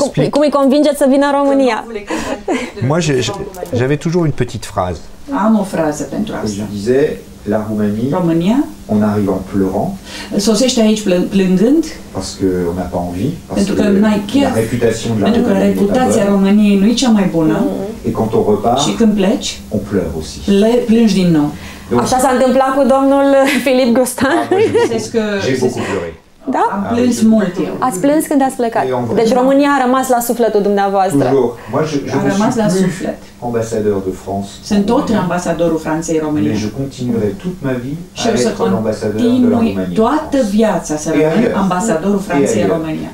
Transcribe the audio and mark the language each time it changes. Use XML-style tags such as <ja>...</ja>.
<ro>Cum îi convingeți să vină în România?</ro> <fr>Moi, j'avais toujours une petite phrase.</fr> <ro>Am o frază pentru asta.</ro> <fr>La Roumanie,</fr> <ro>România,</ro> <fr>on arrive en pleurant.</fr> <ro>Sosește aici plângând.</ro> <fr>Parce que on n'a pas envie.</fr> <ro>Pentru că n-ai chef.</ro> <fr>La réputation de la</fr> <ro>pentru că reputația României nu e cea mai bună.</ro> <fr>Et quand on repart,</fr> <ro>și când pleci,</ro> <fr>on pleure aussi.</fr> <ro>Plângi din nou. Așa s-a întâmplat cu domnul Philippe Gustin.</ro> <fr>J'ai beaucoup pleuré.</fr> <ro>Da? Am plâns mult eu. Ați plâns când ați plecat. Deci România a rămas la sufletul dumneavoastră. A rămas la suflet.</ro> <fr>Ambassadeur de France.</fr> <ro>Sunt tot ambasadorul Franței României.</ro> <fr>Mais je continuerai toute ma vie à être l'ambassadeur de la Roumanie.</fr> <ro>Toată viața să rămân ambasadorul Franței România.</ro>